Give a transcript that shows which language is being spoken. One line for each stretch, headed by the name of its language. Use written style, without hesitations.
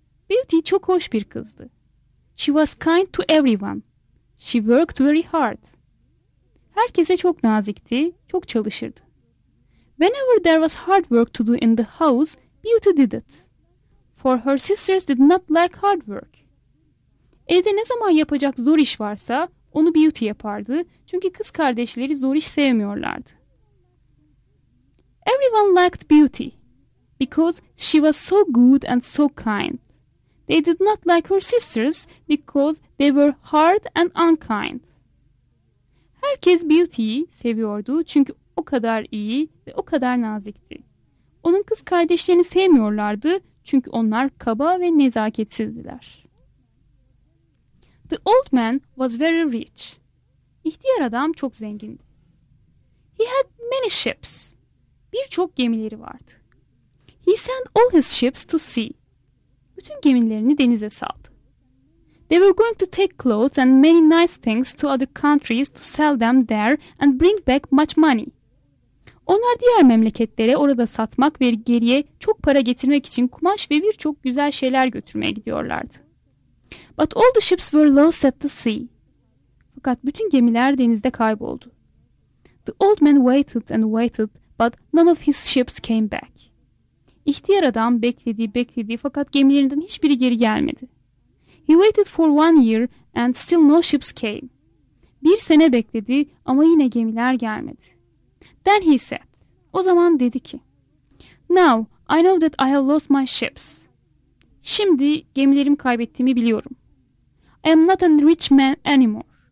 English: Beauty
Turkish: çok hoş bir kızdı.
English: She was kind to everyone. She worked very hard.
Turkish: Herkese çok nazikti, çok çalışırdı.
English: Whenever there was hard work to do in the house, Beauty did it. For her sisters did not like hard work.
Turkish: Evde ne zaman yapacak zor iş varsa onu Beauty yapardı çünkü kız kardeşleri zor iş sevmiyorlardı.
English: Everyone liked Beauty because she was so good and so kind. They did not like her sisters because they were hard and unkind.
Turkish: Herkes Beauty'yi seviyordu çünkü o kadar iyi ve o kadar nazikti. Onun kız kardeşlerini sevmiyorlardı çünkü onlar kaba ve nezaketsizdiler.
English: The old man was very rich.
Turkish: İhtiyar adam çok zengindi.
English: He had many ships.
Turkish: Birçok gemileri vardı.
English: He sent all his ships to sea.
Turkish: Bütün gemilerini denize saldı.
English: They were going to take clothes and many nice things to other countries to sell them there and bring back much money.
Turkish: Onlar diğer memleketlere orada satmak ve geriye çok para getirmek için kumaş ve birçok güzel şeyler götürmeye gidiyorlardı.
English: But all the ships were lost at the sea.
Turkish: Fakat bütün gemiler denizde kayboldu.
English: The old man waited and waited, but none of his ships came back.
Turkish: İhtiyar adam bekledi, bekledi fakat gemilerinden hiçbiri geri gelmedi.
English: He waited for one year and still no ships came.
Turkish: Bir sene bekledi ama yine gemiler gelmedi.
English: Then he said,
Turkish: o zaman dedi ki,
English: Now I know that I have lost my ships.
Turkish: Şimdi gemilerimi kaybettiğimi biliyorum.
English: I am not a rich man anymore.